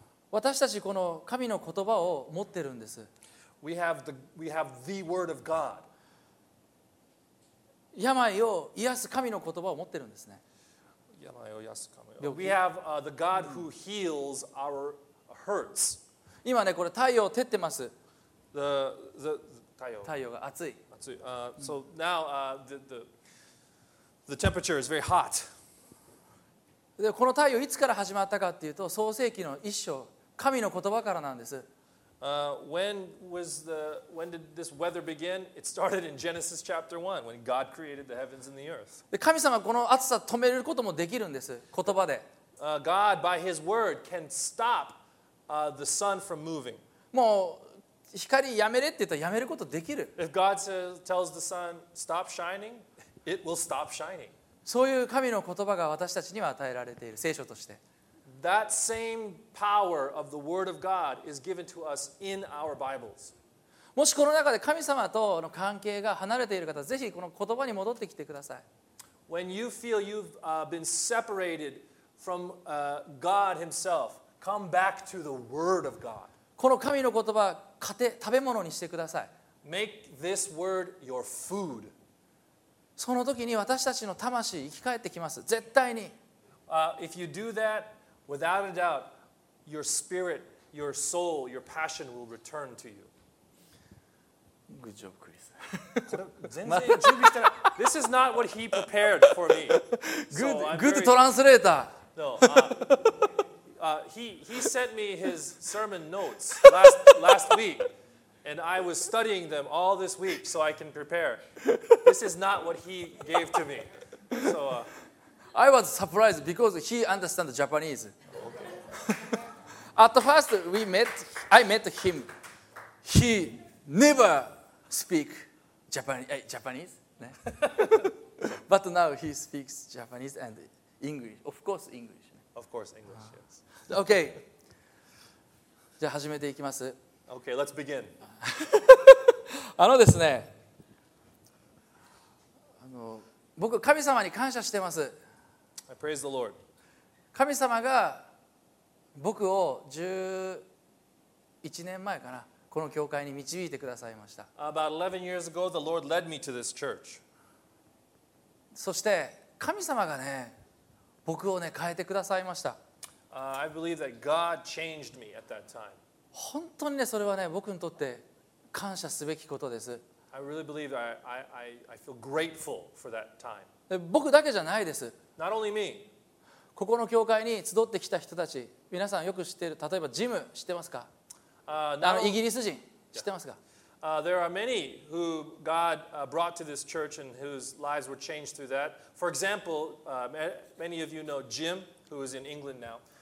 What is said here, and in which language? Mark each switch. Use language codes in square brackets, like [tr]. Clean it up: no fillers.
[ja] 私たちこの神の言葉を持ってるんです。 [en] We have the word of God. [ja] 病を癒す神の言葉を持ってるんですね。病を癒す神の言葉。 [en] We have the God who heals our hurts. [ja] 今ねこれ太陽照ってます。 [en] The [ja] 太陽が熱い。熱い。 [en] So now the temperature is very hot. [ja] でこの太陽いつから始まったかっていうと創世記の一章神の言葉からなんです。 [en] When did this weather begin? It started in Genesis chapter 1 when God created the heavens and the earth. [ja] で神様この暑さ止めることもできるんです言葉で。 [en] God by His word can stop the sun from moving. [ja] もう光やめれって言ったらやめることできる。 [en] If God tells the sun stop shining, it will stop shining. [ja] そういう神の言葉が私たちには与えられている聖書として。 [en] That same power of the word of God is given to us in our Bibles. [ja] もしこの中で神様との関係が離れている方、ぜひこの言葉に戻ってきてください。 [en] When you feel you've been separated from God Himself. Come back to the word of God. [ja] この神の言葉、食べ物にしてください。 [en] Make this word your food. [ja] その時に私たちの魂生き返ってきます。絶対に。 [en] If you do that, without a doubt, your spirit, your soul, your passion will return to you. Good job, Chris. [ja] 全然準備してない。 [en] This is not what he prepared for me. Good translator. No. He sent me his sermon notes last week, and I was studying them all this week so I can prepare. This is not what he gave to me. So, I was surprised because he understands Japanese. Okay. At first, I met him. He never speak Japanese, but now he speaks Japanese and English. Of course, English. Of course, English, yes. [ja] OK じゃあ始めていきます [en] OK, let's begin [ja] あのですね僕神様に感謝してます。 [en] I praise the Lord. [ja] 神様が僕を11年前かな、この教会に導いてくださいました。 [en] About 11 years ago, the Lord led me to this church. [ja] そして神様がね、僕をね変えてくださいました。 [en] I believe that God changed me at that time. [ja] 本当にね、それはね、僕にとって感謝すべきことです。 [en] I really believe that I feel grateful for that time. [ja] 僕だけじゃないです。 [en] Not only me. [ja] ここの教会に集ってきた人たち、皆さんよく知っている、例えばジム知ってますか？イギリス人知ってますか？ [en] There are many who God brought to this church and whose lives were changed through that. For example, many of you know Jim, who is in England now.